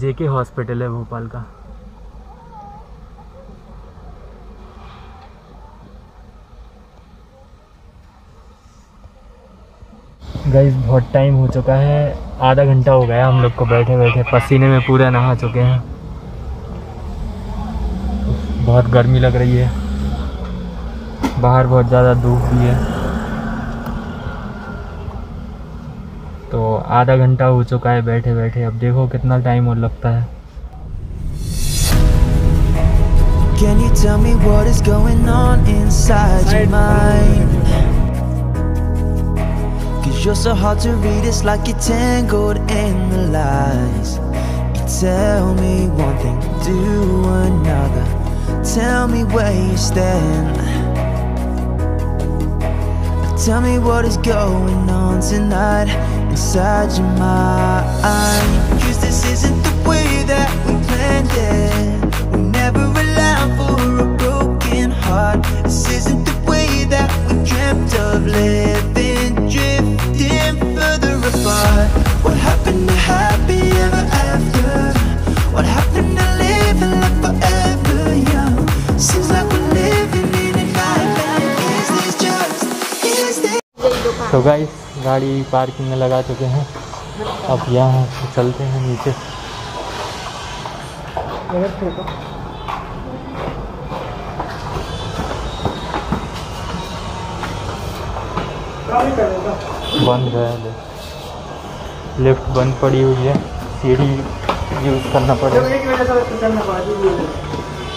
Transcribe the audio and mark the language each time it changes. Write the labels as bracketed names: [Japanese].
[Hindi] JK hospital है भोपाल का, guys बहुत टाइम हो चुका है, आधा घंटा हो गया हम लोग को बैठे बैठे, पसीने में पूरे नहा चुके हैं, बहुत गर्मी लग रही है बाहर, बहुत ज़्यादा धूप भी है। तो आधा घंटा हो चुका है बैठे बैठे, अब देखो कितना टाइम और लगता है। [English] Can you tell me what is going on inside your mind? Cause you're so hard to read, it's like you're tangled in the lies. You tell me one thing, do another. Tell me where you stand. Tell me what is going on tonight inside your mind. Cause this isn't the way that we planned it. We never allow for a broken heart. This isn't the way that we dreamt of living, drifting further apart. What happened to happy ever after? What happened to living like forever young? Seems like we're living in a nightmare. Is this just, is this? So guys, [Hindi] गाड़ी parking में लगा चुके हैं, अब यहाँ चलते हैं नीचे। बंद है लिफ्ट, बंद पड़ी हुई है, सीढ़ी यूज करना पड़ेगा।